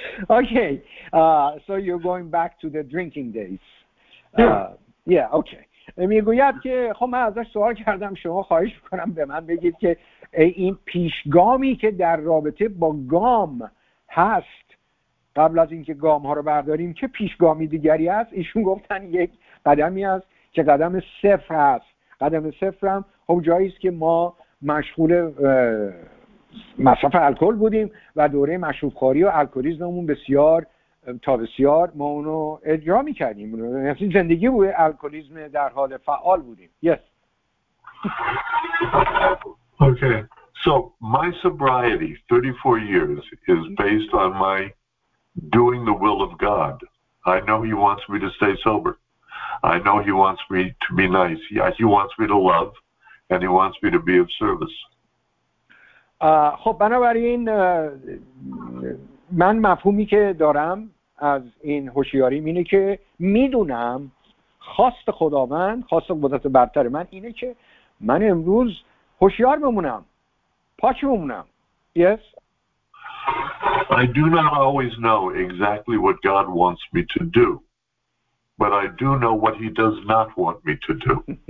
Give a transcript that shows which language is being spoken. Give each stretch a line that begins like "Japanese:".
English: okay, so you're going back to the drinking days. Yeah, okay.
Persian: میگوید که خب من ازش سوال کردم شما خواهش بکنم به من بگید که این پیشگامی که در رابطه با گام هست قبل از اینکه گام ها رو برداریم چه پیشگامی دیگری هست ایشون گفتن یک قدمی است که قدم صفر است قدم صفر هم خب جایی است که ما مشغول مصرف الکل بودیم و دوره مشروب خواری و الکلیزممون بسیار تا بسیار ما اونو اجرا می‌کردیم یعنی زندگی بود الکلیزم در حال فعال بودیم
English: yes okay so my sobriety 34 years is based on my doing the will of God. I know he wants me to stay sober. I know he wants me to be nice. He wants me to love and he wants me to be of service.
Persian: خب بنابراین من مفهومی که دارم از این هوشیاری اینه که میدونم خواست خداوند خواست قدرت برتر من اینه که من امروز هوشیار بمونم پاک بمونم
English: yes I do not always know exactly what God wants me to do, but I do know what He does not want me to do.